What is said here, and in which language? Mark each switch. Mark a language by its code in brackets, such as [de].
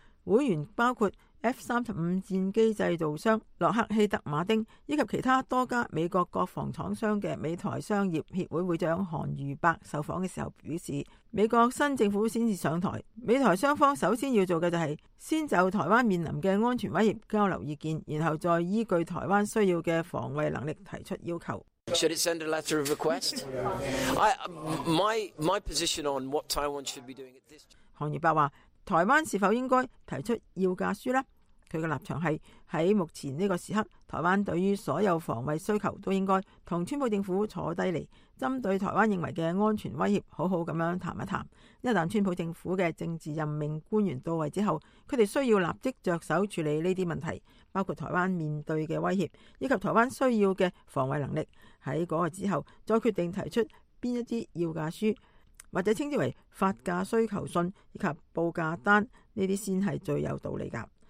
[yue] 会员包括 F-35 战机制造商洛克希德马丁，以及其他多家美国国防厂商的美台商业协会会长韩瑜伯受访的时候表示，美国新政府先至上台，美台双方首先要做的就是先就台湾面临的安全威胁交流意见，然后再依据台湾需要的防卫能力提出要求。 [en] Should it send a letter of request? My position on what Taiwan should be doing at this. [yue] 韩瑜伯说，台湾是否应该提出要价书呢？他的立场是，在目前这个时刻，台湾对于所有防卫需求都应该和川普政府坐下来，针对台湾认为的安全威胁好好地谈一谈。一旦川普政府的政治任命官员到位之后，他们需要立即着手处理这些问题，包括台湾面对的威胁以及台湾需要的防卫能力，在那个之后再决定提出哪一支要价书，或者称之为发价需求信以及报价单，这些才是最有道理的。